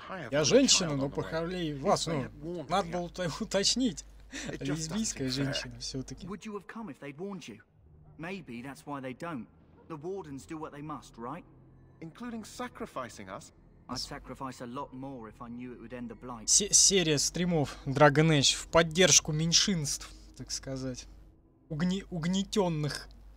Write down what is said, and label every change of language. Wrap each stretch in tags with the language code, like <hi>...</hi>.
<ru>Я женщина, но похороли вас. Ну, надо было уточнить. Лесбийская женщина, все-таки.</ru> <en>Would you have come if they'd warned you? Maybe that's why they don't. The wardens do what they must, right? Including sacrificing us? I'd sacrifice a lot more if I knew it would end the blight.</en> <ru>Серия стримов Dragon Age в поддержку меньшинств, так сказать, угнетенных.</ru>